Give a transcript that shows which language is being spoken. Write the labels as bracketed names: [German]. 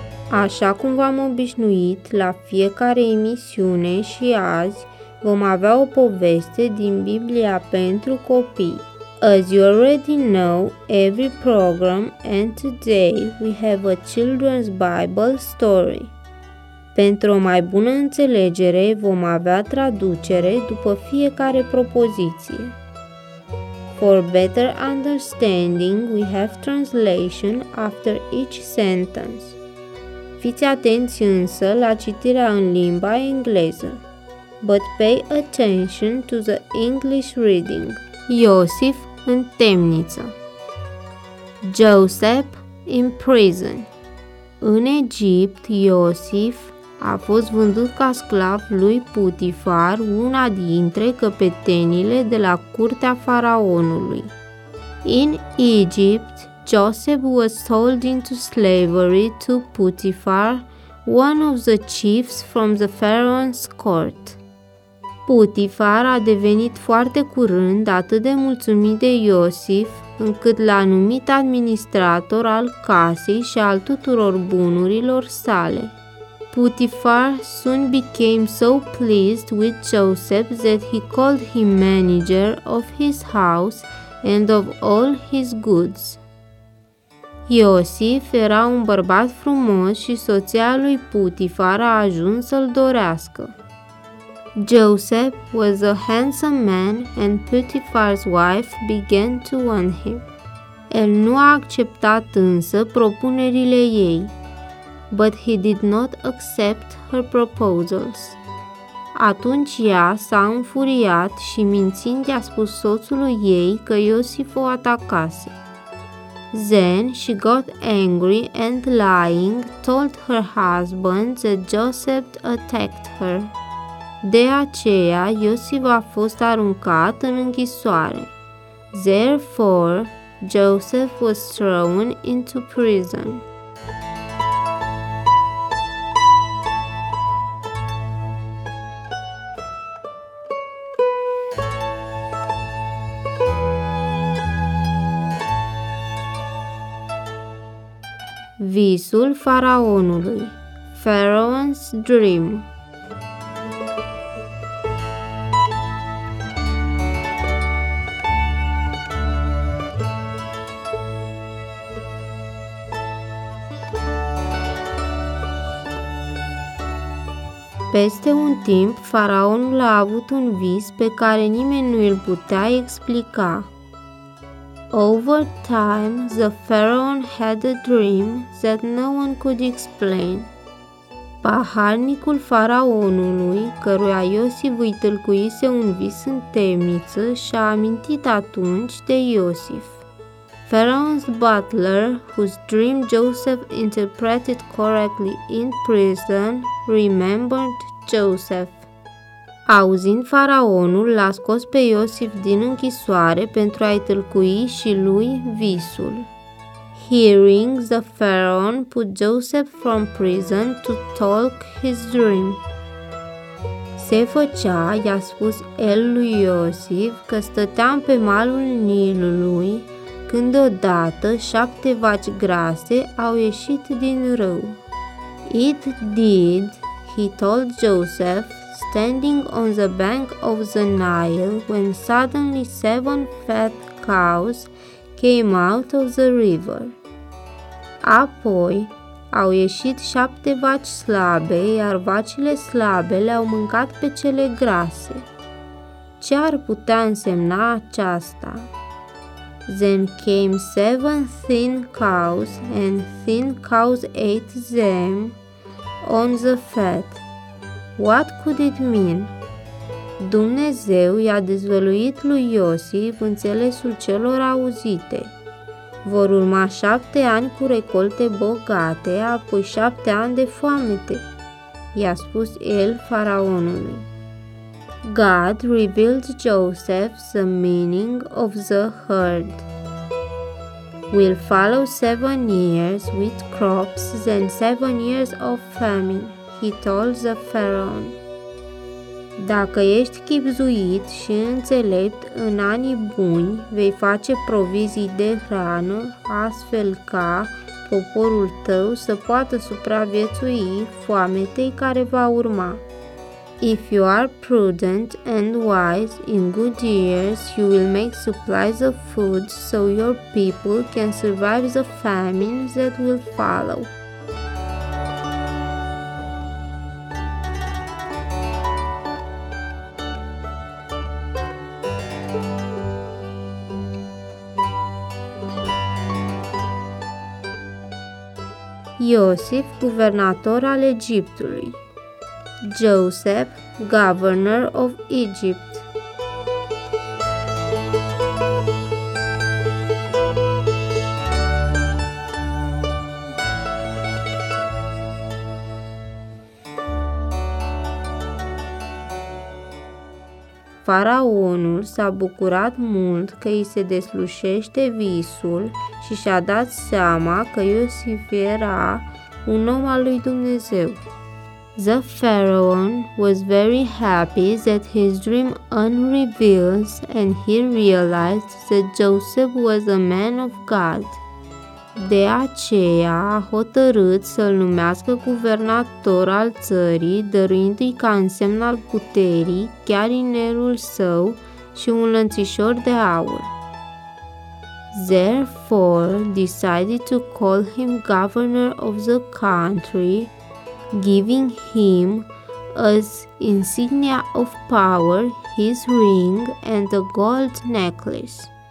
[Romanian] Așa cum v-am obișnuit, la fiecare emisiune și azi vom avea o poveste din Biblia pentru copii. [English] As you already know, every program and today we have a children's Bible story. [Romanian] Pentru o mai bună înțelegere vom avea traducere după fiecare propoziție. [English] For better understanding, we have translation after each sentence. [Romanian] Fiți atenți însă la citirea în limba engleză. [English] But pay attention to the English reading. [Romanian] Iosif în temniță. [English] Joseph in prison. [Romanian] În Egipt, Iosif a fost vândut ca sclav lui Putifar, una dintre căpetenile de la curtea faraonului. [English] In Egypt, Joseph was sold into slavery to Potiphar, one of the chiefs from the Pharaoh's court. [Romanian] Potiphar a devenit foarte curând atât de mulțumit de Iosif, încât l-a numit administrator al casei și al tuturor bunurilor sale. [English] Potiphar soon became so pleased with Joseph that he called him manager of his house and of all his goods. [Romanian] Iosif era un bărbat frumos și soția lui Putifar a ajuns să-l dorească. [English] Joseph was a handsome man and Putifar's wife began to want him. [Romanian] El nu a acceptat însă propunerile ei, [English] but he did not accept her proposals. [Romanian] Atunci ea s-a înfuriat și mințind i-a spus soțului ei că Iosif o atacase. [English] Then she got angry and lying told her husband that Joseph attacked her. [Romanian] De aceea, Iosif a fost aruncat în închisoare. [English] Therefore, Joseph was thrown into prison. [Romanian] Visul faraonului. [English] Pharaoh's dream. [Romanian] Peste un timp, faraonul a avut un vis pe care nimeni nu îl putea explica. [English] Over time, the Pharaoh had a dream that no one could explain. [Romanian] Paharnicul faraonului, căruia Iosif îi tâlcuise un vis în temniță, și-a amintit atunci de Iosif. [English] Pharaoh's butler, whose dream Joseph interpreted correctly in prison, remembered Joseph. [Romanian] Auzind faraonul, l-a scos pe Iosif din închisoare pentru a-i tâlcui și lui visul. [English] Hearing, the Pharaoh put Joseph from prison to talk his dream. [Romanian] Se făcea, i-a spus el lui Iosif, că stăteam pe malul Nilului, când odată 7 vaci grase au ieșit din râu. [English] It did, he told Joseph, standing on the bank of the Nile, when suddenly 7 fat cows came out of the river. [Romanian] Apoi, au ieșit 7 vaci slabe, iar vacile slabe le-au mâncat pe cele grase. Ce ar putea însemna aceasta? [English] Then came 7 thin cows, and thin cows ate them on the fat. What could it mean? [Romanian] Dumnezeu i-a dezvăluit lui Iosif înțelesul celor auzite. Vor urma 7 ani cu recolte bogate, apoi 7 ani de foamete, i-a spus el faraonului. [English] God revealed Joseph the meaning of the herd. Will follow 7 years with crops, then 7 years of famine, he told the Pharaoh. [Romanian] Dacă ești chipzuit și înțelept în anii buni, vei face provizii de hrană, astfel ca poporul tău să poată supraviețui foametei care va urma. [English] If you are prudent and wise, in good years you will make supplies of food so your people can survive the famine that will follow. [Romanian] Iosif, guvernator al Egiptului. [English] Joseph, governor of Egypt. [Romanian] Faraonul s-a bucurat mult că îi se deslușește visul și și-a dat seama că Iosif era un om al lui Dumnezeu. [English] The Pharaoh was very happy that his dream unreveals and he realized that Joseph was a man of God. [Romanian] De aceea a hotărât să-l numească guvernator al țării, dăruindu-i ca însemn al puterii chiar inelul său și un lănțișor de aur. [English] Therefore, decided to call him governor of the country, giving him, as insignia of power, his ring and a gold necklace.